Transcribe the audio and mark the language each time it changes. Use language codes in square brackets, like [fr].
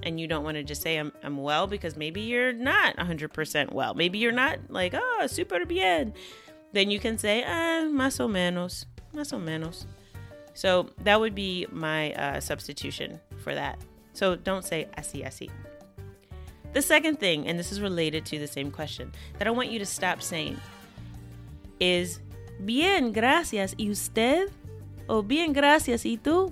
[en] And you don't want to just say, I'm well, because maybe you're not 100% well. Maybe you're not like, super bien. Then you can say, [es] más o menos, más o menos. [en] So that would be my substitution for that. So don't say [es] así, así. [en] The second thing, and this is related to the same question, that I want you to stop saying is, [es] bien, gracias, ¿y usted? Oh, bien, gracias, ¿y tú?